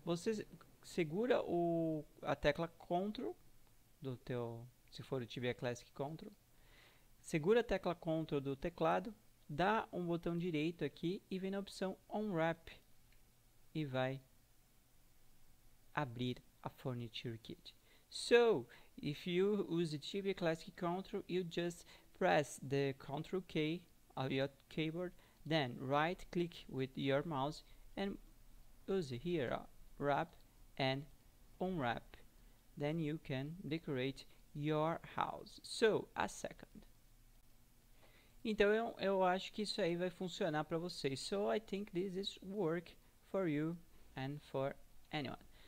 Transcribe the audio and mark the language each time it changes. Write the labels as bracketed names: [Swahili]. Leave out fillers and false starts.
[Portuguese] Você segura a tecla Ctrl do teu, se for o Tibia Classic Ctrl, segura a tecla Ctrl do teclado, dá um botão direito aqui e vem na opção Unwrap e vai abrir a Furniture Kit. [English] So, if you use the Tibia Classic Ctrl, you just press the Ctrl key of your keyboard, then right click with your mouse and use here wrap and unwrap, then you can decorate your house. So, a second. [Portuguese] Então eu acho que isso aí vai funcionar para vocês. [English] So, I think this is work for you and for anyone.